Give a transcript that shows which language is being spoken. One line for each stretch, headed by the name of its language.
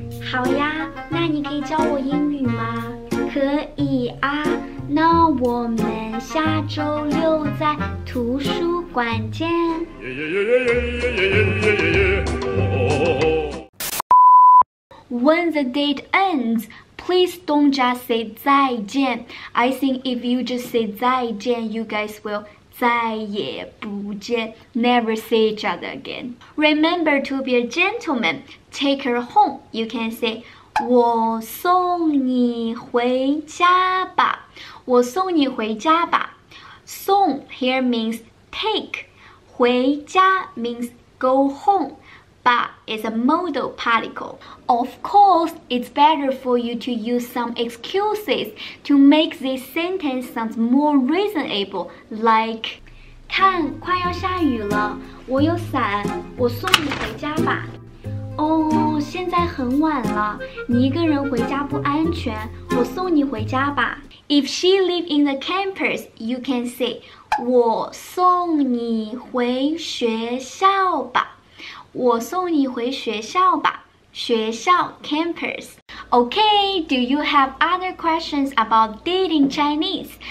Chinese: 好呀，那你可以教我英语吗？可以啊，那我们下周六在图书馆见。
English: When the date ends, please don't just say
Chinese: 再见.
English: I think if you just say
Chinese: 再见,
English: you guys will
Chinese: 再也不见,
English: never see each other again. Remember to be a gentleman. Take her home. You can say,
Chinese: 我送你回家吧。我送你回家吧。送
English: here means take.
Chinese: 回家
English: means go home.
Chinese: 吧
English: is a modal particle. Of course, it's better for you to use some excuses to make this sentence sound more reasonable, like
Chinese: 看快要下雨了，我有伞，我送你回家吧。哦，现在很晚了，你一个人回家不安全，我送你回家吧。
English: If she live in the campus, you can say
Chinese: 我送你回学校吧。我送你回学校吧。学校 campus.
English: Okay, do you have other questions about dating Chinese?